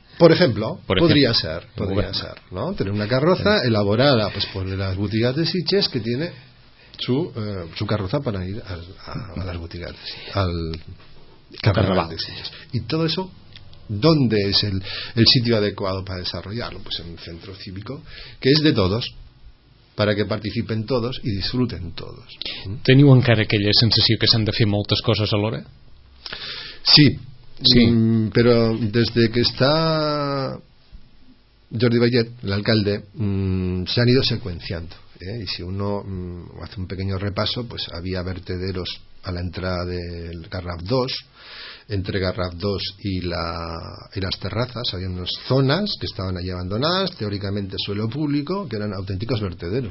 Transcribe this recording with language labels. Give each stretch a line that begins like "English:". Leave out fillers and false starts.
Spanish: Por ejemplo, podría ser, ¿no? Tener una carroza elaborada pues por las boutiques de Sitges, que tiene su carroza para ir a las boutiques, al carnaval. Y todo eso, ¿dónde es el sitio adecuado para desarrollarlo? Pues en un centro cívico que es de todos, para que participen todos y disfruten todos.
Catalan: ¿Teniu encara aquella sensació que s'han de fer moltes coses alhora? Sí.
Spanish: Pero desde que está Jordi Bayet, el alcalde, se han ido secuenciando. Y si uno hace un pequeño repaso, pues había vertederos a la entrada del Garraf 2. Entre Garraf 2 y las terrazas había unas zonas que estaban allí abandonadas, teóricamente suelo público, que eran auténticos vertederos.